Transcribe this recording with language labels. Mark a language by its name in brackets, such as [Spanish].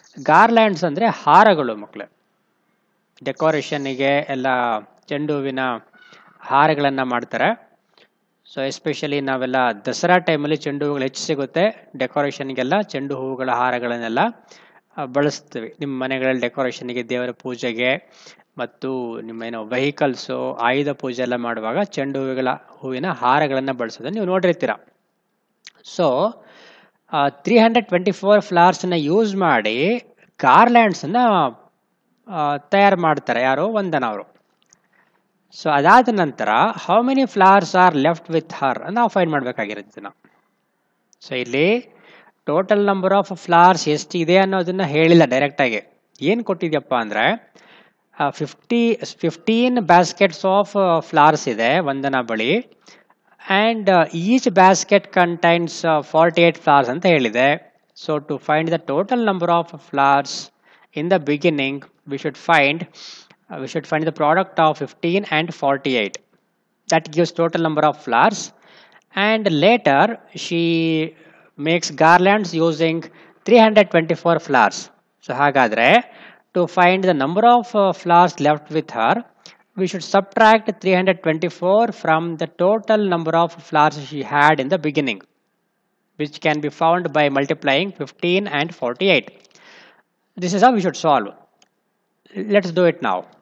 [Kannada] Garlands andre haragalu makle. Decoration ige ella chenduvina haragalanna maartare. So especially navella dasara time alli chenduvugalu hech sigutte. Decoration igella chendu hoogala haragalannella ಬಳಸ್ತೀವಿ. ನಿಮ್ಮ ಮನೆಗಳಲ್ಲಿ ಡೆಕೋರೇಷನ್ಗೆ, ದೇವರ ಪೂಜೆಗೆ ಮತ್ತು ನಿಮ್ಮೇನೋ vehicles, ಆಯುಧ ಪೂಜೆ ಎಲ್ಲ ಮಾಡುವಾಗ ಚೆಂಡು ಹೂವುಗಳ ಹೂವಿನ ಹಾರಗಳನ್ನು ಬಳಸೋದನ್ನು ನೀವು ನೋಡಿರ್ತೀರ. ಸೊ 324 ಫ್ಲವರ್ಸನ್ನ [English] use ಮಾಡಿ [Kannada] ಗಾರ್ಲ್ಯಾಂಡ್ಸನ್ನು ತಯಾರು ಮಾಡ್ತಾರೆ ಯಾರೋ ವಂದನವರು. ಸೊ ಅದಾದ ನಂತರ [English] how many flowers are left with her [Kannada] ಅಂತ ನಾವು [English] Find ಮಾಡಬೇಕಾಗಿರುತ್ತೆ. [Kannada] ಸೊ ಇಲ್ಲಿ [English] total number of flowers [Kannada] ಎಷ್ಟಿದೆ ಅನ್ನೋದನ್ನು ಹೇಳಿಲ್ಲ ಡೈರೆಕ್ಟಾಗಿ. ಏನು ಕೊಟ್ಟಿದೆಯಪ್ಪ ಅಂದರೆ 15 [English] baskets of flowers [Kannada] ಇದೆ ವಂದನಾ ಬಳಿ. [English] and each basket contains 48 flowers [Kannada] ಅಂತ ಹೇಳಿದೆ. [English] So to find the total number of flowers in the beginning we should find the product of 15 and 48. That gives total number of flowers. And later she makes garlands using 324 flowers. So [Kannada] hagadre [English] to find the number of flowers left with her, we should subtract 324 from the total number of flowers she had in the beginning, which can be found by multiplying 15 and 48. This is how we should solve. Let's do it now.